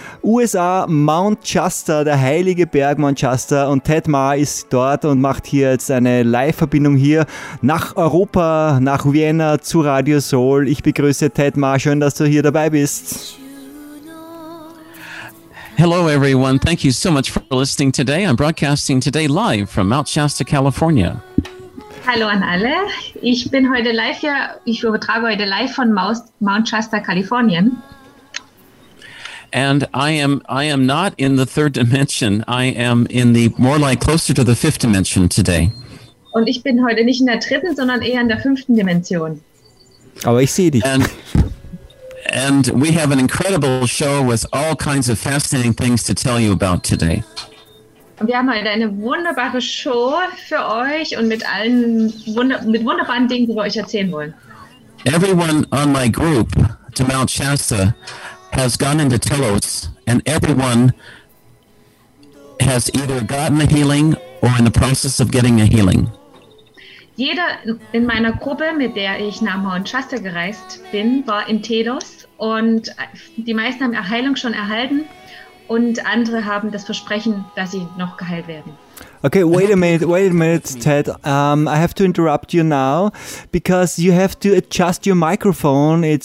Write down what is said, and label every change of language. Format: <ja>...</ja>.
<de>USA, Mount Shasta, der heilige Berg Mount Shasta. Und Ted Ma ist dort und macht hier jetzt eine Live-Verbindung hier nach Europa, nach Vienna zu Radio Soul. Ich begrüße Ted Ma, schön, dass du hier dabei bist.</de> <en>Hello, everyone. Thank you so much for listening today. I'm broadcasting today live from Mount Shasta, California.</en> <de>Hallo an alle. Ich bin heute live hier. Ich übertrage heute live von Mount Shasta, Kalifornien.</de> <en>And I am not in the third dimension. I am in the more like closer to the fifth dimension today.</en> <de>Und ich bin heute nicht in der dritten, sondern eher in der fünften Dimension. Aber ich sehe dich.</de> <en>And we have an incredible show with all kinds of fascinating things to tell you about today.</en> <de>Wir haben heute eine wunderbare Show für euch und mit allen mit wunderbaren Dingen, die wir euch erzählen wollen.</de> <en>Everyone on my group to Mount Shasta has gone into Telos, and everyone has either gotten a healing or in the process of getting a healing.</en> <de>Jeder in meiner Gruppe, mit der ich nach Mount Shasta gereist bin, war in Telos und die meisten haben Heilung schon erhalten und andere haben das Versprechen, dass sie noch geheilt werden.</de> <en>Okay, wait a minute, Ted. I have to interrupt you now because you have to adjust your microphone.</en>